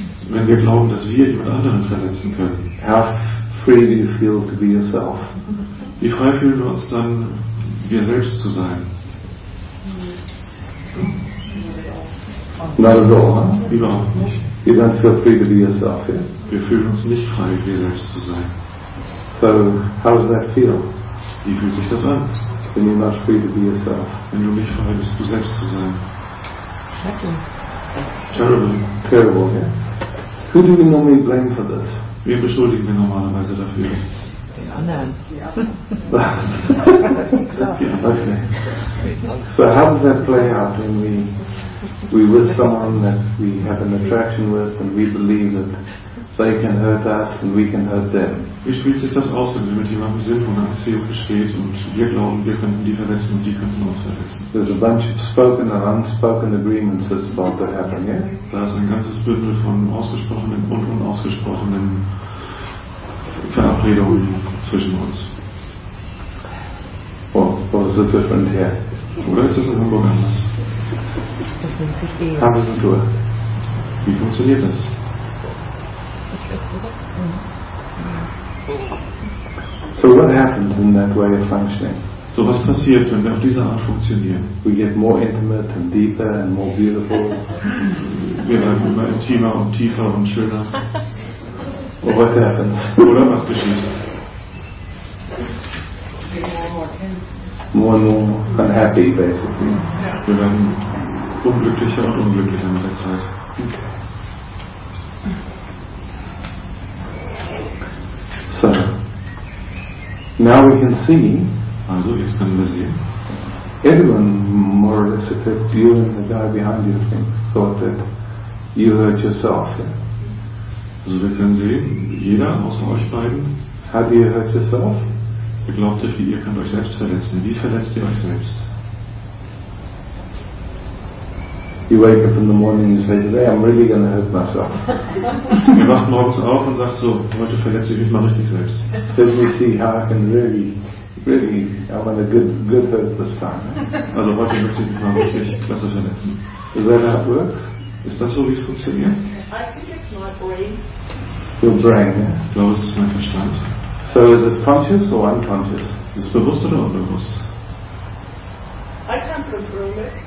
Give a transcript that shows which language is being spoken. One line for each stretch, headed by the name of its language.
German: wenn wir glauben, dass wir jemand anderen verletzen können,
English: how free do you feel to be yourself?
German: Wie frei fühlen wir uns dann, wir selbst zu sein?
English: Not at all, huh?
German: Überhaupt nicht.
English: You don't feel free to be yourself, yeah?
German: Wir fühlen uns nicht frei, wir selbst zu sein.
English: So, how does that feel?
German: Wie fühlt sich das an?
English: When you're not free to be yourself.
German: Wenn du nicht frei bist, du selbst zu sein.
English: Terrible. Terrible, yeah. Who do we normally blame for this?
German: Wen beschuldigen wir normalerweise dafür? Den anderen.
English: Okay. So how does that play out when we with someone that we have an attraction with and we believe that they can hurt us and we can hurt them?
German: Wie spielt sich das aus, wenn wir mit jemandem sind, wo eine Anziehung besteht und wir glauben, wir könnten die verletzen und die könnten uns verletzen?
English: There's a bunch of spoken and unspoken agreements that's about to happen, yeah?
German: Da ist ein ganzes Bündel von ausgesprochenen und unausgesprochenen Verabredungen zwischen uns.
English: Or is it different here?
German: Oder ist es in Hamburg anders? Das nennt sich Ehe. Haben Sie durch. Wie funktioniert das?
English: So what happens in that way of functioning?
German: So was passiert, wenn wir auf diese Art funktionieren?
English: We get more intimate and deeper and more beautiful.
German: Wir werden immer intimer und tiefer und schöner.
English: Or what happens?
German: Oder was geschieht?
English: More and more unhappy, basically.
German: Wir werden unglücklicher und unglücklicher mit der Zeit.
English: So, now we can see.
German: Also, jetzt können wir sehen.
English: Everyone, more or less, except you and the guy behind you, I think, thought that you hurt yourself.
German: Also, wir können sehen, jeder außer euch beiden.
English: How do you hurt yourself?
German: Ihr glaubt, ihr könnt euch selbst verletzen. Wie verletzt ihr euch selbst?
English: You wake up in the morning and say, today I'm really going to hurt myself.
German: Ihr wacht morgens auf und sagt so, heute verletze ich mich mal richtig selbst.
English: Let me see how I can really, really, I want a good hurt this time.
German: Also heute möchte ich mich mal richtig klasse verletzen.
English: Is that how it works?
German: Ist das so, wie es funktioniert?
English: I think it's my brain. Your brain, yeah?
German: Ich glaube, es ist mein Verstand.
English: So is it conscious or unconscious?
German: Ist es bewusst oder unbewusst?
English: I can't control it.